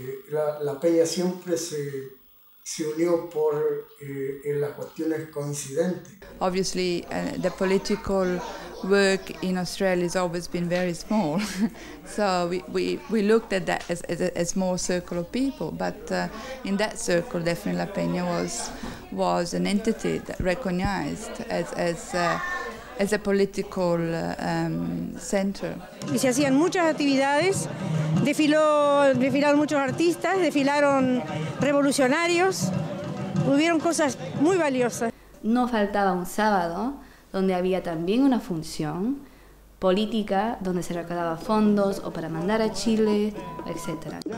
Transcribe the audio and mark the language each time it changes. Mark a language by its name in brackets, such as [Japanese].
[Spanish] La Peña siempre se unió por en las cuestiones coincidentes. [English] Obviously, the political work in Australia has always been very small, so we looked at that as a small circle of people. But in that circle, definitely La Peña was an entity that recognized as a political center. [Spanish] Y se hacían muchas actividades. Desfilaron muchos artistas, desfilaron revolucionarios, hubieron cosas muy valiosas. No faltaba un sábado donde había también una función política donde se recaudaba fondos o para mandar a Chile, etc.